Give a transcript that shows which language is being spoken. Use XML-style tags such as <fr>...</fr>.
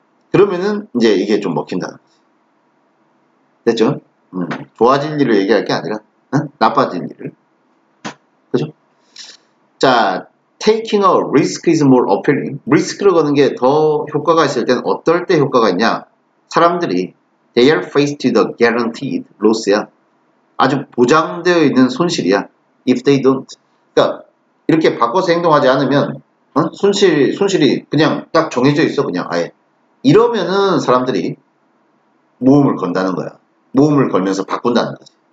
<ko>그러면은 이제 이게 좀 먹힌다는 거지. 됐죠? 좋아진 일을 얘기할 게 아니라 나빠진 일을. 그죠? 자,</ko> <en>Taking a risk is more appealing.</en> <ko>리스크를 거는 게 더 효과가 있을 땐 어떨 때 효과가 있냐? 사람들이</ko> <en>they are faced with a guaranteed loss야.</en> <ko>아주 보장되어 있는 손실이야.</ko> <en>If they don't.</en> <ko>그러니까 이렇게 바꿔서 행동하지 않으면 손실이 그냥 딱 정해져 있어. 그냥 아예. 이러면은 사람들이 모험을 건다는 거야. 모험을 걸면서 바꾼다는 거지.</ko>